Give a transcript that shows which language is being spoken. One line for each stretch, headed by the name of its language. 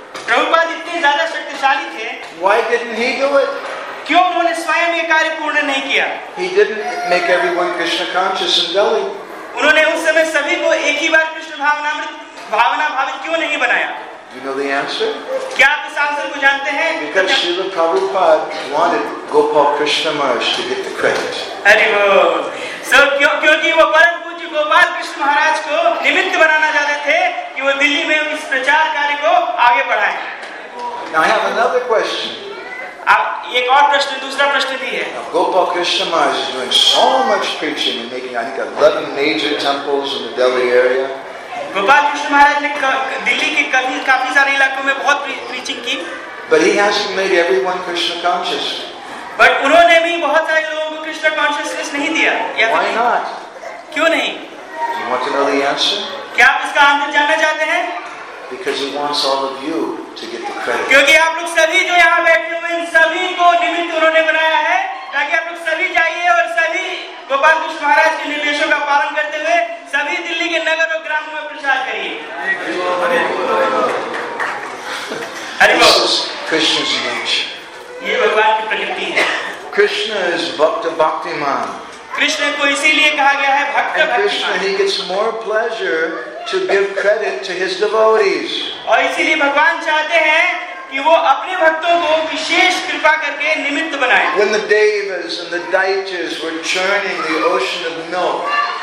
Hindi: प्रभुपाद इतने ज्यादा शक्तिशाली थे।
English: Why didn't he do it?
Hindi: क्यों उन्होंने स्वयं ये कार्य पूर्ण नहीं किया?
English: He didn't make everyone Krishna conscious in Delhi.
Hindi: उन्होंने उस समय सभी को एक ही बार कृष्ण भावनामृत भावना भावित क्यों नहीं बनाया?
English: Do you know the answer?
Hindi: क्या आप इस आंसर को जानते हैं?
English: Because Srila Prabhupada wanted Gopal Krishna Maharaj to get the credit.
Hindi: अरे वो, so क्योंकि वो परम पूज्य गोपाल कृष्ण महाराज को निमित्त बनाना चाहते थे कि वो दिल्ली में उस प्रचार कार्य को आगे बढ़ाएं।
English: Now I have another question.
Hindi: आप एक और प्रश्न, दूसरा प्रश्न भी है।
English: Now, Gopal Krishna Maharaj is doing so much preaching and making, I think, 11 major temples in the Delhi area.
Hindi: Gopal Krishna महाराज ने दिल्ली के काफी सारे इलाकों में बहुत प्रीचिंग की।
English: But he hasn't made everyone Krishna conscious.
Hindi: But उन्होंने भी बहुत सारे लोगों को कृष्ण कॉन्शियसनेस नहीं दिया।
English: Why not?
Hindi: क्यों नहीं?
English: Do you want to know the answer?
Hindi: क्या आप इसका आंसर जानना चाहते हैं?
English: Because he wants all of you to get the credit.
Hindi: क्योंकि आप लोग सभी जो यहाँ बैठे हुए, इन सभी को निमित्त उन्होंने बनाया है ताकि आप लोग सभी जाइए और सभी गोपाल कृष्ण महाराज के निर्देशों का पालन करते हुए सभी दिल्ली के नगर और ग्रामों में प्रचार करिए। हरि बोल। कृष्णा की नेचर, ये भगवान की प्रकृति है।
English: Krishna is bhakta bhaktiman.
Hindi: कृष्ण को इसीलिए कहा गया है भक्त भक्तिमान।
English: Krishna he gets more pleasure to give credit to his devotees.
Hindi: और इसीलिए भगवान चाहते हैं कि वो अपने भक्तों को विशेष कृपा करके निमित्त बनाए।
English: When the devas and the daityas were churning the ocean of milk.